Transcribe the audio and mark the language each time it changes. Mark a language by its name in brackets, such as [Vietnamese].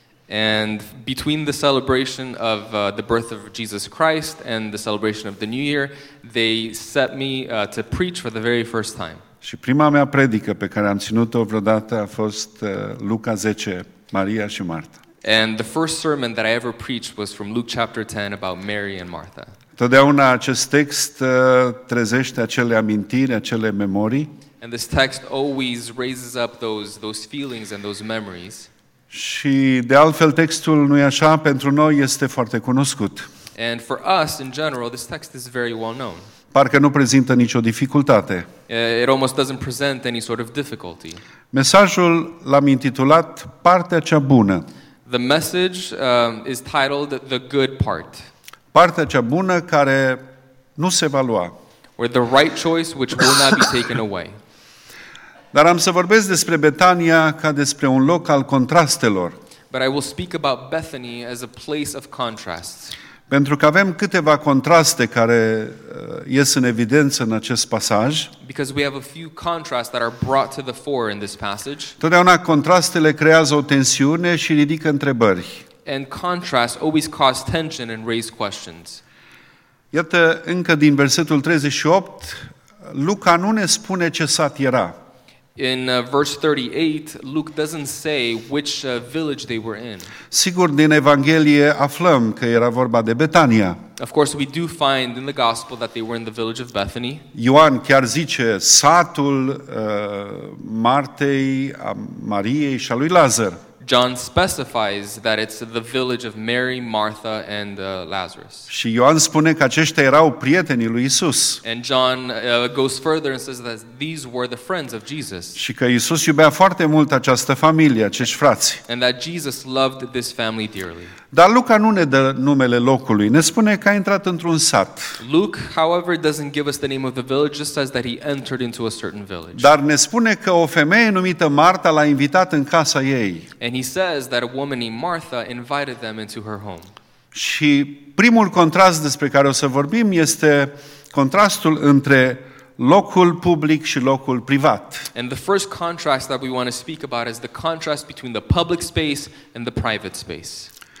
[English] And between the celebration of the birth of Jesus Christ and the celebration of the new year, they set me to preach for the very first time. [Romanian] Și prima mea predică pe care am ținut-o vreodată a fost Luca 10, Maria și Marta. [English] And the first sermon that I ever preached was from Luke chapter 10 about Mary and Martha. [Romanian] Totdeauna acest text trezește acele amintiri, acele memorii. [English] And this text always raises up those feelings and those memories. [Romanian] Și de altfel textul, nu-i așa, pentru noi este foarte cunoscut. [English] And for us in general this text is very well known. [Romanian] Parcă nu prezintă nicio dificultate. [English] It almost doesn't present any sort of difficulty. [Romanian] Mesajul l-am intitulat Partea cea bună. [English] The message is titled The Good Part. [Romanian] Partea cea bună care nu se va lua. [English] Or the right choice which will not be taken away. [Romanian] Dar am să vorbesc despre Betania ca despre un loc al contrastelor. [English] But I will speak about Bethany as a place of contrasts. [Romanian] Pentru că avem câteva contraste care ies în evidență în acest pasaj. [English] Because we have a few contrasts that are brought to the fore in this passage. [Romanian] Totdeauna contrastele creează o tensiune și ridică întrebări. [English] And contrasts always cause tension and raise questions. [Romanian] Iată, încă din versetul 38, Luca nu ne spune ce sat era. [English] In verse 38, Luke doesn't say which village they were in. [Romanian] Sigur, din Evanghelie aflăm că era vorba de Betania. [English] Of course, we do find in the gospel that they were in the village of Bethany. [Romanian] Ioan chiar zice satul Martei, a Mariei și a lui Lazar. [English] John specifies that it's the village of Mary, Martha and Lazarus. [Romanian] Și Ioan spune că aceștia erau prietenii lui Isus. [English] And John goes further and says that these were the friends of Jesus. [Romanian] Și că Isus iubea foarte mult această familie, acești frați. [English] And that Jesus loved this family dearly. [Romanian] Dar Luca nu ne dă numele locului, ne spune că a intrat într-un sat. [English] Luke, however, doesn't give us the name of the village, just says that he entered into a certain village. [Romanian] Dar ne spune că o femeie numită Marta l-a invitat în casa ei. [English] And he says that a woman named Martha invited them into her home. [Romanian] Și primul contrast despre care o să vorbim este contrastul între locul public și locul privat. [English] And the first contrast that we want to speak about is the contrast between the public space and the private space.